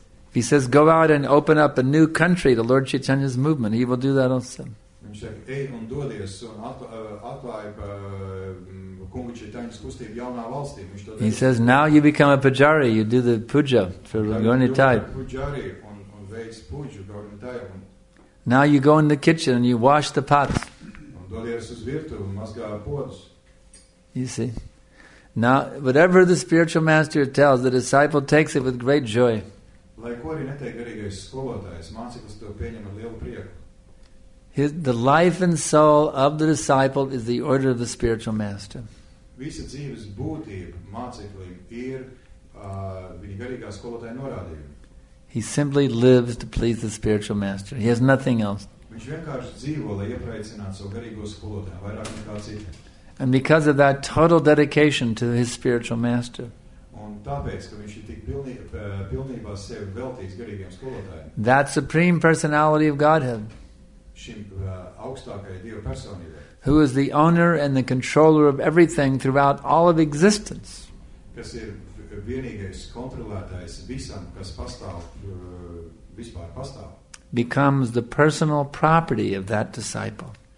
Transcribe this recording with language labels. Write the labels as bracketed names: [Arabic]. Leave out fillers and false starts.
[English] If he says, go out and open up a new country, the Lord Chaitanya's movement, he will do that also. [Latvian] Viņš saka, ej un dodies un atklāj kungu Čaitaņas kustību jaunā valstī. Viņš to [English] he says, now you become a pujari, you do the puja for Gaurinitai. [Latvian] Pujari un veic puju Gaurinitai. [English] Now you go in the kitchen and you wash the pots. [Latvian] Un dodies uz virtuvi un mazgā pots. [English] You see. Now, whatever the spiritual master tells, the disciple takes it with great joy. [Latvian] Lai ko arī neteik garīgais skolotājs, mācīgs to pieņem ar lielu prieku. [English] The life and soul of the disciple is the order of the spiritual master. [Latvian] Visa dzīves būtība māceklim ir viņa garīgā skolotāja norādījumi. [English] He simply lives to please the spiritual master. He has nothing else. [Latvian] Viņš vienkārši dzīvo, lai iepraicinātu savu garīgo skolotāju, vairāk nekā citu. [English] And because of that total dedication to his spiritual master, [Latvian] un tāpēc, ka viņš ir tik pilnībā sev veltīts garīgiem skolotājiem, [English] that supreme personality of Godhead, [Latvian] šim augstākajai Dieva personībai, [English] who is the owner and the controller of everything throughout all of existence, [Latvian] kas ir vienīgais kontrolētājs visam, kas pastāv, vispār pastāv, [English] becomes the personal property of that disciple.